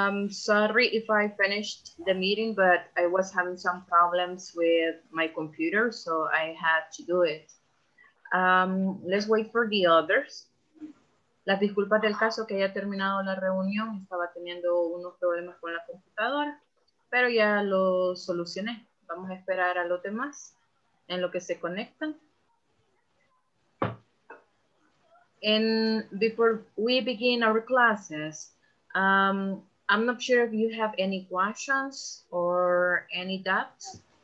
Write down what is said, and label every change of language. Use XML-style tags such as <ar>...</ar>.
<en>Sorry if I finished the meeting, but I was having some problems with my computer, so I had to do it. Let's wait for the others.</en> <es>Las disculpas del caso que haya terminado la reunión, estaba teniendo unos problemas con la computadora, pero ya lo solucioné. Vamos a esperar a los demás en lo que se conectan.</es> <en>And before we begin our classes, I'm not sure if you have any questions or any doubts.</en>